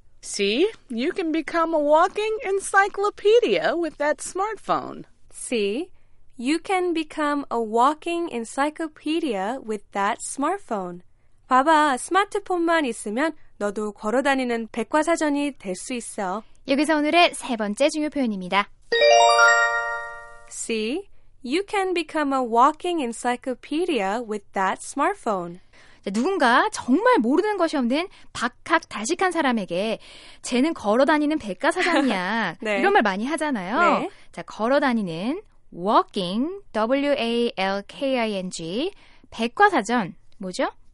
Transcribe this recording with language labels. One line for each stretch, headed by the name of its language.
English: See, you can become a walking encyclopedia with that smartphone. See, you can become a walking encyclopedia with that smartphone.
Korean: 봐봐, 스마트폰만 있으면 너도 걸어다니는 백과사전이 될 수 있어. 여기서 오늘의 세 번째 중요 표현입니다.
English: See, you can become a walking encyclopedia with that smartphone.
Korean: 자, 누군가 정말 모르는 것이 없는 박학다식한 사람에게 쟤는 걸어다니는 백과사전이야. 네. 이런 말 많이 하잖아요. 네. 자, 걸어다니는 walking, W-A-L-K-I-N-G, 백과사전, 뭐죠?